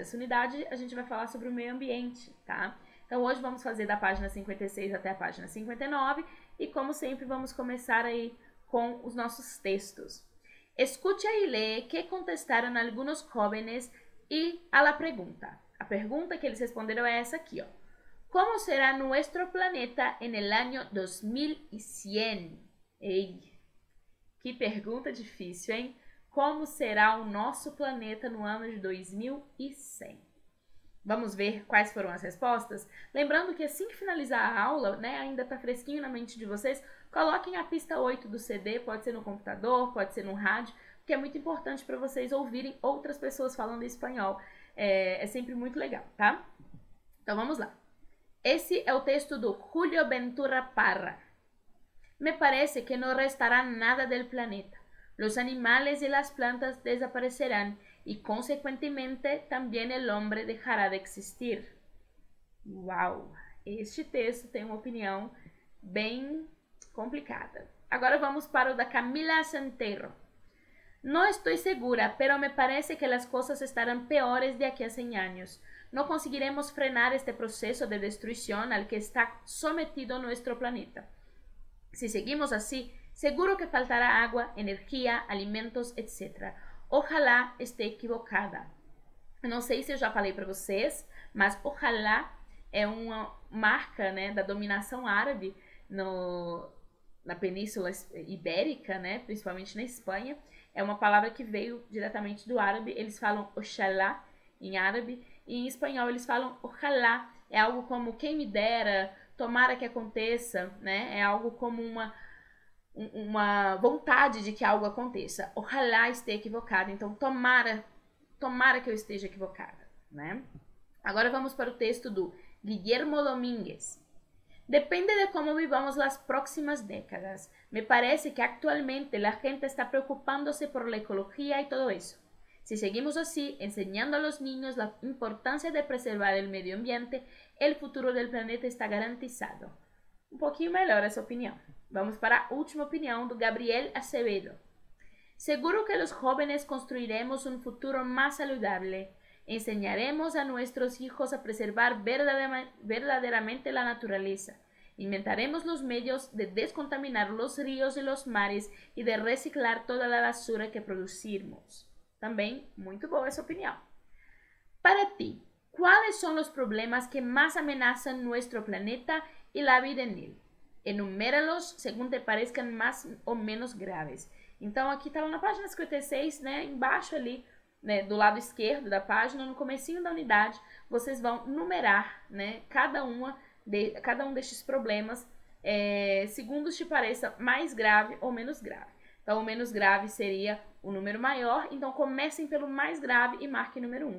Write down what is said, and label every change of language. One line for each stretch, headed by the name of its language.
Portuguese: Essa unidade a gente vai falar sobre o meio ambiente, tá? Então hoje vamos fazer da página 56 até a página 59 e como sempre vamos começar aí com os nossos textos. Escute aí ler que contestaram alguns jóvenes e
Spanish: a la pregunta.
Portuguese: A pergunta que eles responderam é essa aqui, ó.
Spanish: Como será nuestro planeta en el año 2100?
Portuguese: Ei, que pergunta difícil, hein? Como será o nosso planeta no ano de 2100? Vamos ver quais foram as respostas? Lembrando que assim que finalizar a aula, né, ainda está fresquinho na mente de vocês, coloquem a pista 8 do CD, pode ser no computador, pode ser no rádio, porque é muito importante para vocês ouvirem outras pessoas falando espanhol. É sempre muito legal, tá? Então vamos lá. Esse é o texto do Julio Ventura Parra.
Spanish: Me parece que não restará nada del planeta. Los animales y las plantas desaparecerán y, consecuentemente, también el hombre dejará de existir. Uau!
Portuguese: Este texto tem uma opinião bem complicada. Agora vamos para o da Camila Santero.
Spanish: No estoy segura, pero me parece que las cosas estarán peores de aquí a 100 años. No conseguiremos frenar este proceso de destrucción al que está sometido nuestro planeta. Si seguimos así, seguro que faltará agua, energía, alimentos, etc. Ojalá esté equivocada. No sé si ya
Portuguese: falei para vocês, mas ojalá é uma marca, né, da dominação árabe no, na Península Ibérica, né, principalmente na Espanha. É uma palavra que veio diretamente do árabe. Eles falam Oxalá em árabe. E em espanhol eles falam Ojalá. É algo como quem me dera, tomara que aconteça, né? É algo como uma vontade de que algo aconteça. Ojalá esteja equivocada. Então, tomara que eu esteja equivocada, né? Agora vamos para o texto do Guillermo Domínguez.
Spanish: Depende de cómo vivamos las próximas décadas. Me parece que actualmente la gente está preocupándose por la ecología y todo eso. Si seguimos así, enseñando a los niños la importancia de preservar el medio ambiente, el futuro del planeta está garantizado. Un poquito mejor esa opinión. Vamos para la última opinión de Gabriel Acevedo. Seguro que los jóvenes construiremos un futuro más saludable. Enseñaremos a nuestros hijos a preservar verdaderamente la naturaleza. Inventaremos los medios de descontaminar los ríos y los mares y de reciclar toda la basura que producimos. También, muy buena esa opinión. Para ti, ¿cuáles son los problemas que más amenazan nuestro planeta y la vida en él? Enuméralos según te parezcan más o menos graves. Entonces, aquí estaba en la página 56, ¿no? Embajo allí.
Portuguese: Né, do lado esquerdo da página, no comecinho da unidade, vocês vão numerar, né, cada um destes problemas, segundo te pareça mais grave ou menos grave. Então, o menos grave seria o número maior. Então, comecem pelo mais grave e marquem número 1.